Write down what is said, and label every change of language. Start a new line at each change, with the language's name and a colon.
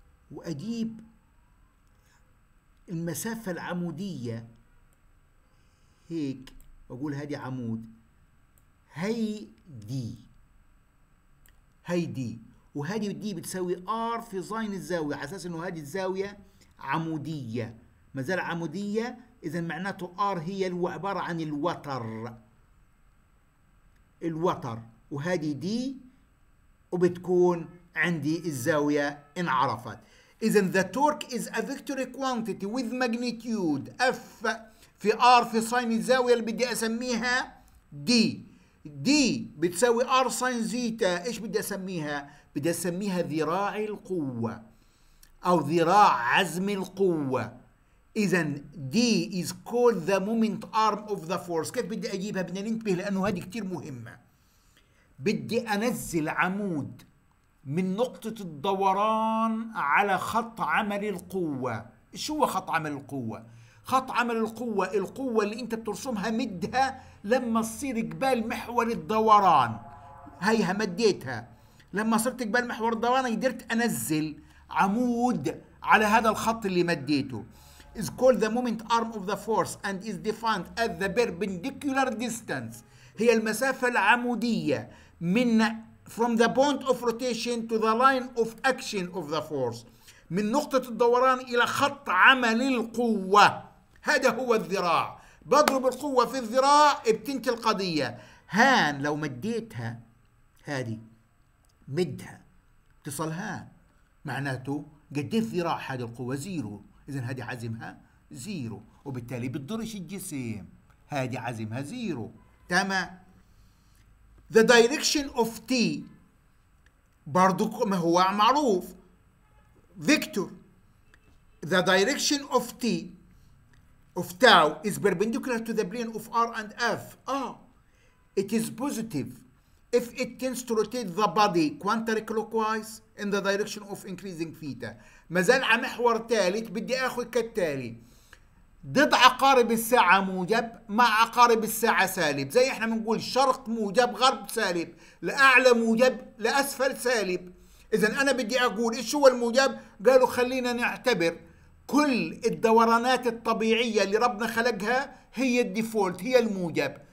Arabic: واجيب المسافة العمودية هيك واقول هذه عمود، هاي دي، هاي دي، وهذه دي بتساوي ار في زين الزاوية، على اساس انه هذه الزاوية عمودية، ما زال عمودية، اذا معناته ار هي عبارة عن الوتر، الوتر، وهذه دي، وبتكون عندي الزاوية انعرفت. اذا
English: the torque is a vector quantity with magnitude f في r في sin
Arabic: الزاوية اللي بدي اسميها
English: d.
Arabic: d بتساوي r sin زيتا، ايش بدي اسميها؟ بدي اسميها ذراع القوة او ذراع عزم القوة. اذا
English: d is called the moment arm of the force.
Arabic: كيف بدي اجيبها؟ بدنا ننتبه لانه هذه كتير مهمة. بدي انزل عمود من نقطة الدوران على خط عمل القوة. شو هو خط عمل القوة؟ خط عمل القوة، القوة اللي انت بترسمها مدها لما تصير قبال محور الدوران. هيها مديتها، لما صرت قبال محور الدوران قدرت انزل عمود على هذا الخط اللي مديته.
English: is called the moment arm of the force and is defined at the perpendicular distance.
Arabic: هي المسافة العمودية من
English: from the point of rotation to the line of action of the force،
Arabic: من نقطة الدوران إلى خط عمل القوة. هذا هو الذراع، بضرب القوة في الذراع بتنتهي القضية. هان لو مديتها، هذه مدها اتصلها، معناته قديت ذراع هذه القوة؟ زيرو. إذن هذه عزمها زيرو، وبالتالي بتضرش الجسم، هذه عزمها زيرو. تمام.
English: The direction of T
Arabic: برضو ما هو معروف
English: vector. The direction of T of tau is perpendicular to the plane of R and F. It is positive if it tends to rotate the body counterclockwise in the direction of increasing theta.
Arabic: ما زال على محور تالت، بدي اخذ كالتالي، ضد عقارب الساعة موجب، مع عقارب الساعة سالب، زي احنا بنقول شرق موجب غرب سالب، لأعلى موجب لأسفل سالب. اذا انا بدي اقول ايش هو الموجب؟ قالوا خلينا نعتبر كل الدورانات الطبيعية اللي ربنا خلقها هي الديفولت، هي الموجب.